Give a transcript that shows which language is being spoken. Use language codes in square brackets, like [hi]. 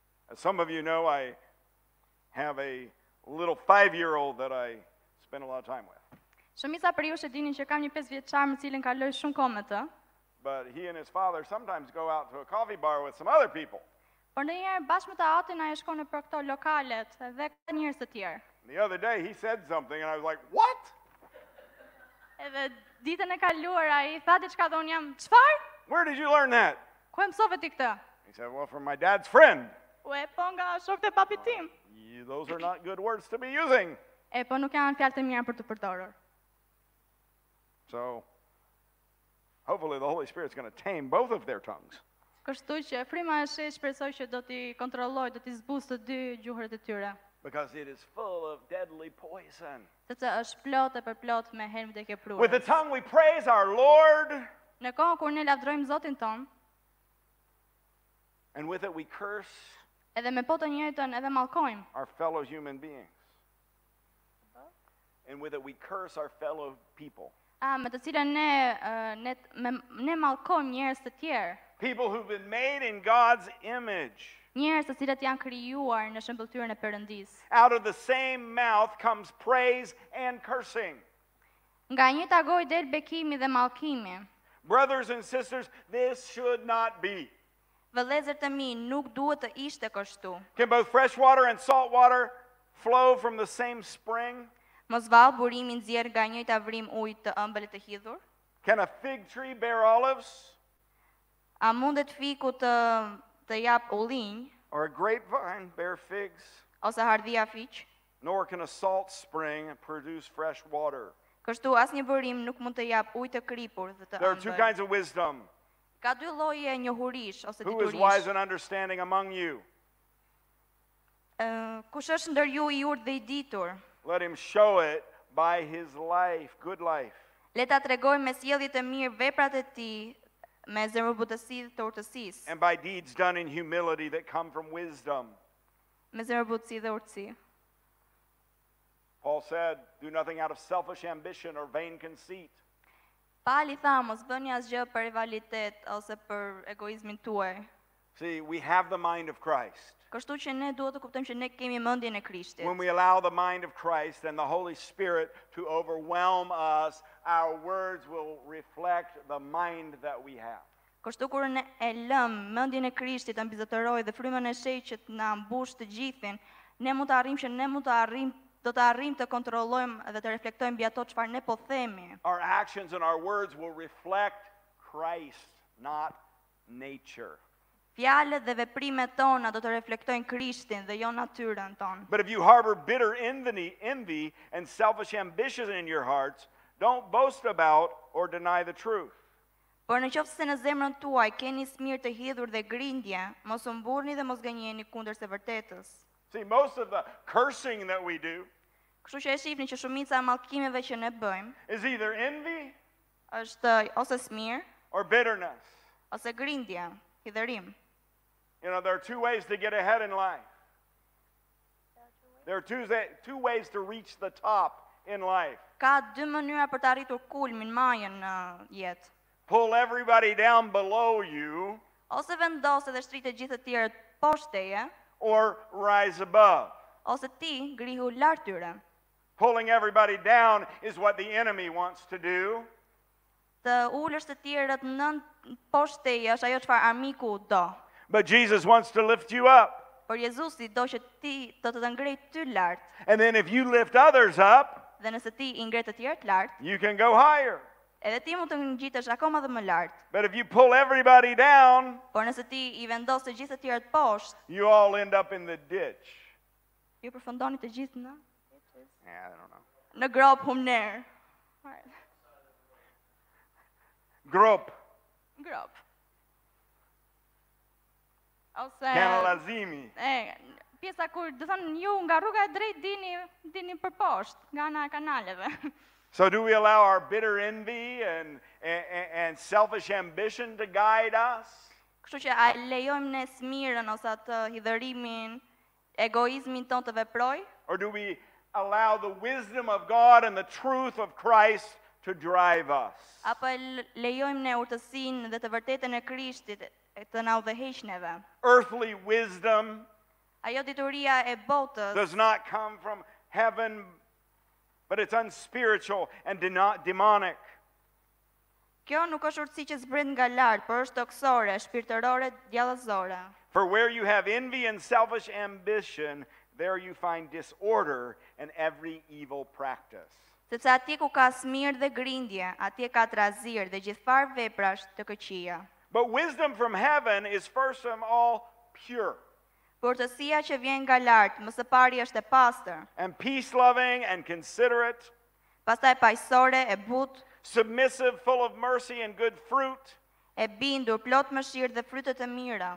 [en] As some of you know, I have a little 5-year-old that I spend a lot of time with. [sq] Shumica prej jush e dinin që kam një 5-vjeçar me cilin kaloj shumë kohë me të. [en] But he and his father sometimes go out to a coffee bar with some other people. [sq] Por ndonjëherë bashkë me tatin ai shkon në këto lokale dhe ka njerëz të tjerë. [en] The other day he said something and I was like, "What?" [sq] Edhe ditën e kaluar ai tha diçka dhe un jam, "Çfarë?" [en] Where did you learn that? [sq] Ku e mësove ti këtë? [en] He said, "Well, from my dad's friend." [sq] Ue, po nga shokët e papit tim. [en] Those are not good words to be using. [sq] E po nuk janë fjalë të mira për të përdorur. [en] So, hopefully the Holy Spirit is going to tame both of their tongues. [sq] Kështu që Fryma e Shenjtë shpresoj që do t'i kontrolloj, do t'i zbuz të dy gjuhërat e tyre. [en] Because it is full of deadly poison. [sq] Sepse është plot e përplot me helm vdekjeprurës. [en] With the tongue we praise our Lord. [sq] Në kohë kur ne lavdrojmë Zotin ton. [en] And with it we curse. [sq] Edhe me po të njëjtën edhe mallkojmë. [en] Our fellow human beings. And with it we curse our fellow people. [sq] Me të cilën ne mallkojmë njerëz të tjerë. [en] People who've been made in God's image. [sq] Njerëz të cilët janë krijuar në shembëtyrën e Perëndis. [en] Out of the same mouth comes praise and cursing. [sq] Nga njëta gojë del bekimi dhe mallkimi. [en] Brothers and sisters, this should not be. [sq] Vëllezër të mi, nuk duhet të ishte kështu. [en] Can both fresh water and salt water flow from the same spring? [sq] Mos vall burimi nxjerr nga njëta vrim ujë të ëmbël të hidhur? [en] Can a fig tree bear olives? [sq] A mundet fiku të jap ullinj? [en] Or a grapevine bear figs? [sq] Ose hardhia fiq? [en] Nor can a salt spring produce fresh water. [sq] Kështu asnjë burim nuk mund të jap ujë të kripur dhe të ëmbël. [en] There are two kinds of wisdom. [sq] Ka dy lloje njohurish ose diturish. [en] Who is wise and understanding among you? [sq] Kush është ndër ju I urtë dhe I ditur? [en] Let him show it by his life, good life. [sq] Le ta tregoj me sjellje të mirë veprat e tij, me zemërbutësi të urtësisë. [en] And by deeds done in humility that come from wisdom. [sq] Me zemërbutësi dhe urtësi. [en] Paul said, do nothing out of selfish ambition or vain conceit. [sq] Pali tha, mos bëni asgjë për rivalitet ose për egoizmin tuaj. [en] See, we have the mind of Christ. [sq] Kështu që ne duhet të kuptojmë që ne kemi mendjen e Krishtit. [en] When we allow the mind of Christ and the Holy Spirit to overwhelm us, our words will reflect the mind that we have. [sq] Kështu kur ne e lëmë mendjen e Krishtit mbi zotërojë dhe frymën e sheqit na mbush të gjithin, ne mund të arrijmë që ne mund të arrijmë do të arrijmë të kontrollojmë dhe të reflektojmë mbi ato çfarë ne po themi. [en] Our actions and our words will reflect Christ, not nature. [sq] Fjalët dhe veprimet tona do të reflektojnë Krishtin dhe jo natyrën tonë. [en] But if you harbor bitter envy and selfish ambitions in your hearts, don't boast about or deny the truth. [sq] Por nëse në zemrën tuaj keni smirë të hidhur dhe grindje, mos u mburrni dhe mos gënjeni kundër së vërtetës. [en] See, most of the cursing that we do is either envy [sq] ose smir, [en] or bitterness. [sq] Ose grindje, hidhërim. [en] You know, there are two ways to get ahead in life. There are two ways to reach the top in life. [sq] Ka dy mënyra për të arritur kulmin, majën në jetë. [en] Pull everybody down below you. [sq] Ose vendose dhe shtrit të gjithë të tjerët poshtë teje. [en] Or rise above. [sq] Ose ti grihu lart tyre. [en] Pulling everybody down is what the enemy wants to do. [sq] Të ulësh të tjerët nën poshtë teje është ajo çfarë armiku do. [en] But Jesus wants to lift you up. [sq] Por Jezusi do që ti të ngrej ty lart. [en] And then if you lift others up, [sq] dhe nëse ti I ngre të tjerët lart, [en] you can go higher. [sq] Edhe ti mund të ngjitesh akoma më lart. [en] But if you pull everybody down, [sq] por nëse ti I vendos të gjithë të tjerët poshtë, [en] you all end up in the ditch. [sq] Ju përfundoni të gjithë në? [en] Yeah, I don't know. [sq] Në grop humner. Grop. Grop. Kanalazimi. Pjesa kur, do thonë, ju nga rruga e drejt dini për poshtë, nga ana e kanaleve. [en] So do we allow our bitter envy and selfish ambition to guide us? [sq] Kështu që a lejojmë ne smirën ose atë hidhërimin, egoizmin tonë të veproj? [en] Or do we allow the wisdom of God and the truth of Christ to drive us? [sq] Apo lejojmë ne urtësinë dhe të vërtetën e Krishtit të na udhëheqë neve? [en] Earthly wisdom, [sq] ajo dituria e botës, [en] does not come from heaven, but it's unspiritual and demonic. [sq] Kjo nuk është urtësi që zbrit nga lart, por është toksore, shpirtërore, djallëzore. [en] For where you have envy and selfish ambition, there you find disorder and every evil practice. [sq] Sepse atje ku ka smirë dhe grindje, atje ka trazirë dhe gjithfarë veprash të këqija. [en] But wisdom from heaven is first of all pure. [sq] Urtësia që vjen nga lart, më së pari është e pastër. [en] And peace-loving and considerate. [sq] Pastaj paqësore, e butë. [en] Submissive, full of mercy and good fruit. [sq] E bindur, plot mëshirë dhe fryte të mira.